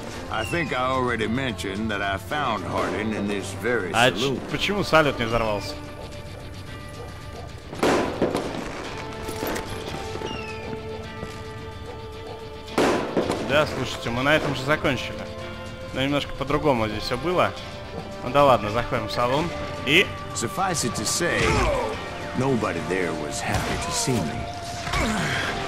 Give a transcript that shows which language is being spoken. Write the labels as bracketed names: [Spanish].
[English] I think I already mentioned that I found Harden in this very saloon. [Russian] А почему салют не взорвался? Да, слушайте, мы на этом же закончили. Но немножко по-другому здесь все было. Ну да ладно, заходим в салон и... [English] Suffice it to say, nobody there was happy to see me.